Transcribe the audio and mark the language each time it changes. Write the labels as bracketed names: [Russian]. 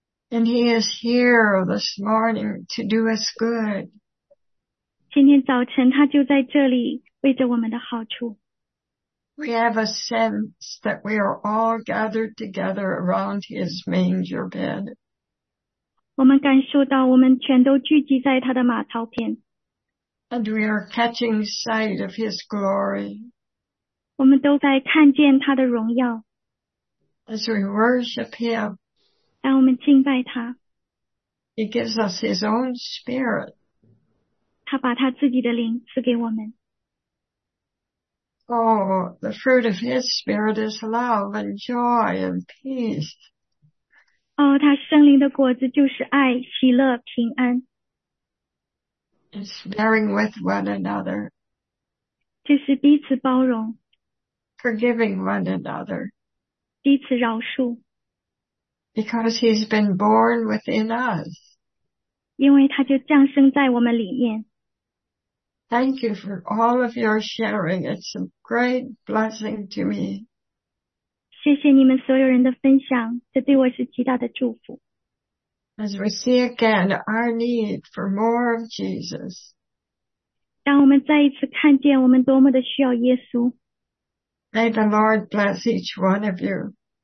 [English] And he is here this morning to do us good. [Chinese] 今天早晨他就在这里为着我们的好处。 [English] We have a sense that we are all gathered together around his manger bed. [Chinese] 我们感受到我们全都聚集在他的马槽边。 [English] And we are catching sight of his glory. [Chinese] 我们都在看见他的荣耀。 [English] As we worship him, [Chinese] 当我们敬拜他， [English] he gives us his own spirit. [Chinese] 他把他自己的灵赐给我们。 [English] Oh, the fruit of his spirit is love and joy and peace. [Chinese] 哦，他圣灵的果子就是爱、喜乐、平安。 [English] It's bearing with one another. [Chinese] 就是彼此包容。 [English] Forgiving one another. [Chinese] 彼此饶恕。 [English] Because he's been born within us. [Chinese] 因为他就降生在我们里面。 [English] Thank you for all of your sharing. It's a great blessing to me. [Chinese] 谢谢你们所有人的分享，这对我是极大的祝福。 [English] As we see again our need for more of Jesus. [Chinese] 当我们再一次看见我们多么的需要耶稣。 [English] May the Lord bless each one of you.